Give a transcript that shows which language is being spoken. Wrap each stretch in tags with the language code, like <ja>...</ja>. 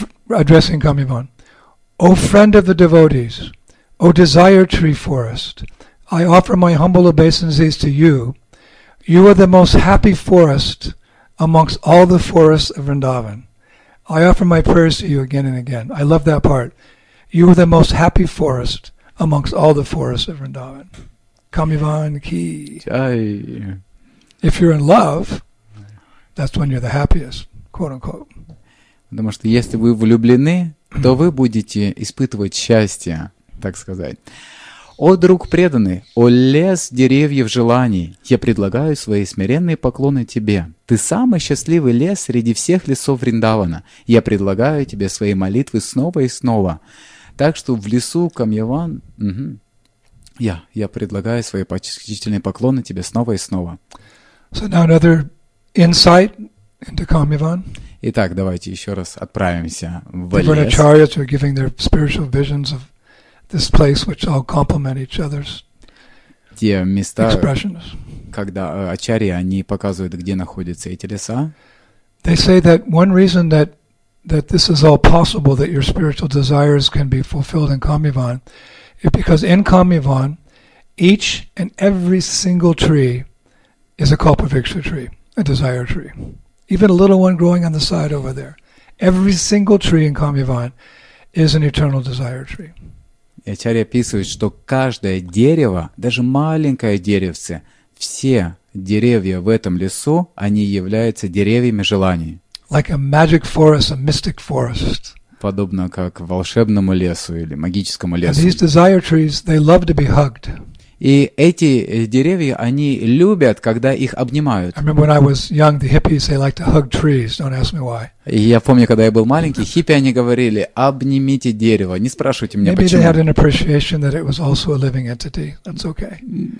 <en>Addressing Камьяван. O friend of the devotees, O desire tree forest, I offer my humble obeisances to you. You are the most happy forest amongst all the forests of Vrindavan. I offer my prayers to you again and again. I love that part. You are the most happy forest amongst all the forests of Vrindavan.</en> <hi>Kamyavan ki. Jai.</hi> <en>If you're in love, that's when you're the happiest, quote unquote.</en> <ru>Потому что если вы влюблены, то вы будете испытывать счастье, так сказать. О, друг преданный, о лес деревьев желаний, я предлагаю свои смиренные поклоны тебе. Ты самый счастливый лес среди всех лесов Вриндавана. Я предлагаю тебе свои молитвы снова и снова. Так что в лесу Камьяван... Я предлагаю свои почтительные поклоны тебе снова и снова.</ru> <en>So now another insight into Kamyavan.</en> <ru>Итак, давайте еще раз отправимся в</ru> <en>the</en> <ru>лес.</ru> <en>Different acharyas are giving their spiritual visions of this place, which all complement each other's expressions.</en> <ru>Когда ачарьи, они показывают, где находятся эти леса.</ru> <en>They say that one reason that this is all possible, that your spiritual desires can be fulfilled in Kamyavan, is because in Kamyavan, each and every single tree is a Kalpavriksha tree. a desire tree. Even a little one growing on the side over there. Every single tree in Kamyavan is an eternal desire tree.</en> <ru>И Ачарья описывает, что каждое дерево, даже маленькое деревце, все деревья в этом лесу, они являются деревьями желаний.</ru> <en>Like a magic forest, a mystic forest.</en> <ru>Подобно как волшебному лесу или магическому лесу.</ru> <en>And these desire trees, they love to be hugged.</en> <ru>И эти деревья, они любят, когда их обнимают. Я помню, когда я был маленький, хиппи, они говорили, обнимите дерево, не спрашивайте меня, почему.</ru>